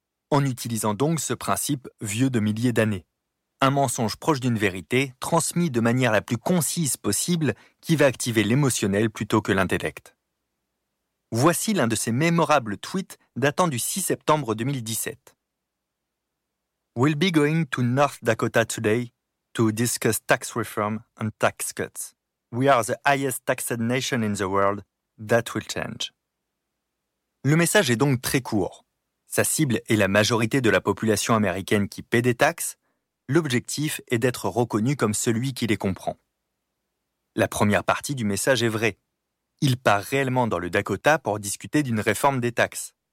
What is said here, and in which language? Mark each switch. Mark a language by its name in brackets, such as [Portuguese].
[French] En utilisant donc ce principe vieux de milliers d'années. Un mensonge proche d'une vérité, transmis de manière la plus concise possible, qui va activer l'émotionnel plutôt que l'intellect. Voici l'un de ses mémorables tweets datant du 6 septembre 2017. [English] We'll be going to North Dakota today to discuss tax reform and tax cuts. We are the highest taxed nation in the world. That will change. [French] Le message est donc très court. Sa cible est la majorité de la population américaine qui paie des taxes. L'objectif est d'être reconnu comme celui qui les comprend. La première partie du message est vraie. Il part réellement dans le Dakota pour discuter d'une réforme des taxes.